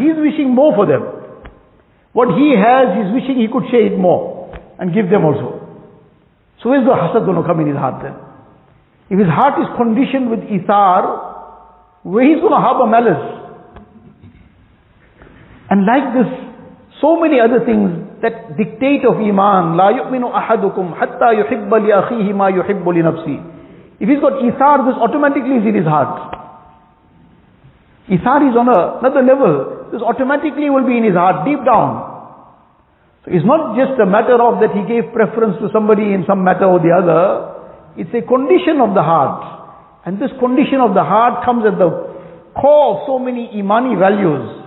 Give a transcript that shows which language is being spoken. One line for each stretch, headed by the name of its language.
English: He is wishing more for them. What he has, he is wishing he could share it more and give them also. So where is the hasad going to come in his heart then? If his heart is conditioned with Ithaar, where is he going to harbor malice? And like this, so many other things that dictate of Iman.
Arabic: لا يؤمن أحدكم حتى يحب لأخيه ما يحب لنفسه.
English: If he's got Ithaar, this automatically is in his heart. Ithaar is on another level. This automatically will be in his heart, deep down. So it's not just a matter of that he gave preference to somebody in some matter or the other. It's a condition of the heart. And this condition of the heart comes at the core of so many Imani values.